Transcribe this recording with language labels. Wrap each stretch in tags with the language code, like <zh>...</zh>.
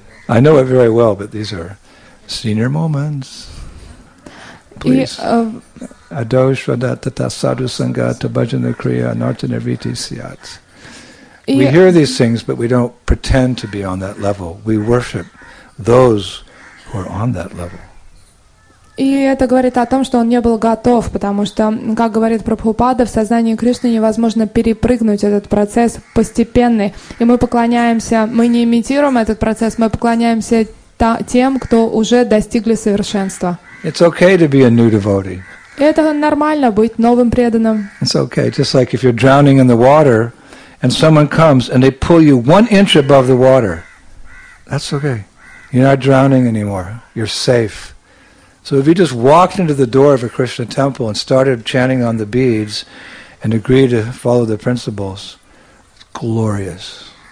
<en>I know it very well, but these are senior moments. Please.</en> <sa>Ado shradhata sadhu sangata bhajana kriya nartana viti siyat.</sa> <en>We hear these things, but we don't pretend to be on that level. We worship those who are on that level.</en> <ru>И это говорит о том, что он не был готов, потому что, как говорит Прабхупада, в сознании Кришны невозможно перепрыгнуть этот процесс постепенный. И мы поклоняемся, мы не имитируем этот процесс, мы поклоняемся тем, кто уже достигли совершенства.</ru> <en>It's okay to be a new devotee.</en> <ru>Это нормально быть новым преданным.</ru> <en>It's okay, just like if you're drowning in the water, and someone comes, and they pull you one inch above the water. That's okay. You're not drowning anymore. You're safe. So if you just walked into the door of a Krishna temple and started chanting on the beads and agreed to follow the principles, it's glorious.</en>